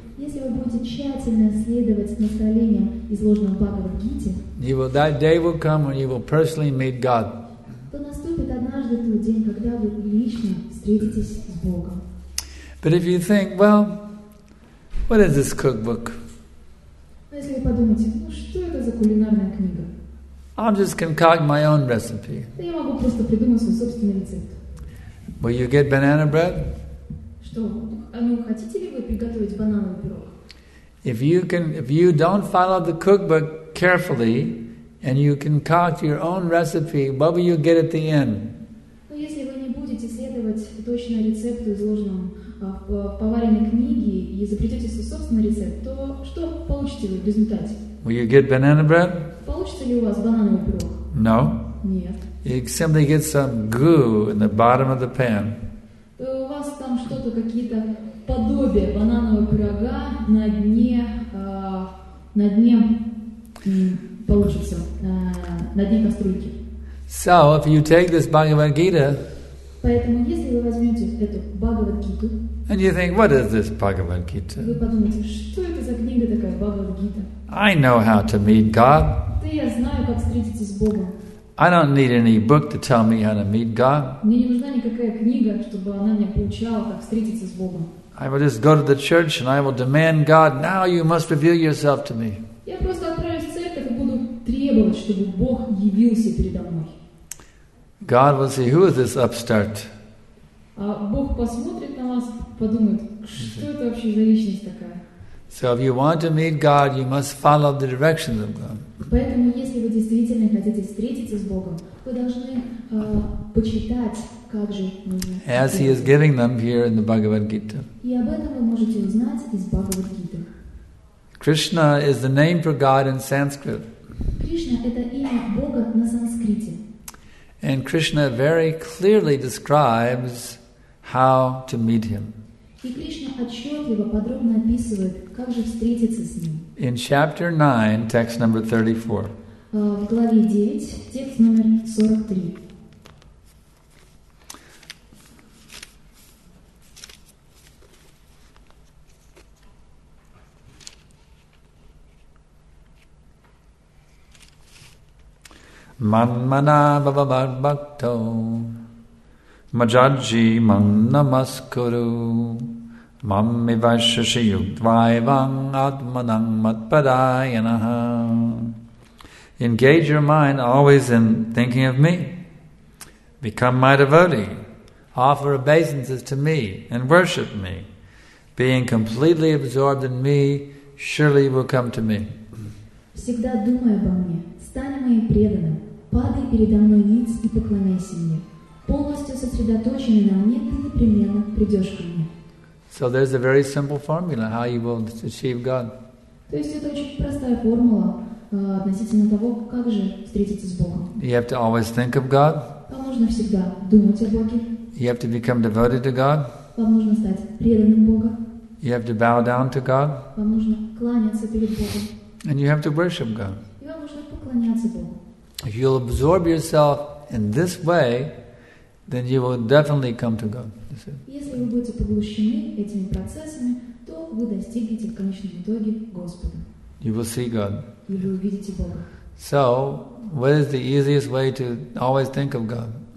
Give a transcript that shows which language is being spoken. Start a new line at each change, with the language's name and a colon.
Russian: если вы будете тщательно следовать наставлениям, изложенным в Бхагавад Гите,
English: you will, that day will come when you will personally meet God.
Russian: То наступит однажды тот день, когда вы лично встретитесь с Богом.
English: But if you think, well, what is this cookbook?
Russian: Если вы подумаете, ну что это за кулинарная книга?
English: I'm just concocting my own recipe.
Russian: Да я могу просто придумать свой собственный рецепт.
English: Will you get banana bread?
Russian: Что, ну хотите ли вы приготовить банановый пирог?
English: If you don't follow the cookbook carefully, and you concoct your own recipe, what will you get at the end?
Russian: Ну если вы не будете следовать точно рецепту, изложенному в поваренной книге, и запретите свой собственный рецепт, то что получите вы в результате?
English: Will you get banana bread?
Russian: Получится ли у вас банановый пирог?
English: No.
Russian: Нет.
English: You simply get some goo in the bottom of the pan.
Russian: У вас там что-то, какие-то подобие бананового пирога на дне получится, на дне кастрюльки.
English: So, if you take this Bhagavad Gita,
Russian: поэтому, если вы возьмете эту Бхагавад Гиту,
English: and you think, what is this Bhagavad Gita?
Russian: Вы подумаете, что это за книга такая, Бхагавад Гита?
English: I know how to meet God.
Russian: Да я знаю, как встретиться с Богом.
English: I don't need any book to tell me how to meet God.
Russian: Мне не нужна никакая книга, чтобы она меня поучала, как встретиться с Богом.
English: I will just go to the church and I will demand God, now you must reveal yourself to me.
Russian: Я просто отправлюсь в церковь и буду требовать, чтобы Бог явился передо мной.
English: God will say, who is this upstart?
Russian: А Бог посмотрит на вас, подумает, что это вообще за личность такая?
English: So if you want to meet God, you must follow the directions of God.
Russian: Поэтому, если вы действительно хотите встретиться с Богом, вы должны почитать, как же нужно.
English: As he is giving them here in the Bhagavad Gita.
Russian: И об этом вы можете узнать из Бхагавад Гиты.
English: Krishna is the name for God in Sanskrit.
Russian: Кришна – это имя Бога на санскрите.
English: And Krishna very clearly describes how to meet him.
Russian: И Кришна отчетливо, подробно описывает, как же встретиться с ним.
English: In chapter 9, text number
Russian: 34. В главе 9, текст номер 43.
Sanskrit: Манмана бхавабхакто маджаджи мам намаскуру. Mammi vashashi yukdvaivang atmanang matpadayanaha.
English: Engage your mind always in thinking of me. Become my devotee. Offer obeisances to me and worship me. Being completely absorbed in me, surely you will come to me.
Russian: Всегда думай обо мне. Стань моим преданным. Падай передо мной ниц и поклоняйся мне. Полностью сосредоточенный на мне, ты непременно придешь ко мне.
English: So there's a very simple formula how you will achieve God.
Russian: То есть это очень простая формула относительно того, как же встретиться с Богом.
English: You have to always think of God.
Russian: Вам нужно всегда думать о Боге.
English: You have to become devoted to God.
Russian: Вам нужно стать преданным Бога.
English: You have to bow down to God.
Russian: Вам нужно кланяться перед Богом.
English: And you have to worship God.
Russian: И вам нужно поклоняться Богу.
English: If you'll absorb yourself in this way, then you will definitely come to God.
Russian: Если вы будете поглощены этими процессами, то вы достигнете в конечном итоге Господа.
English: You will see God.
Russian: И вы увидите Бога.
English: So, what is the easiest way to always think of God?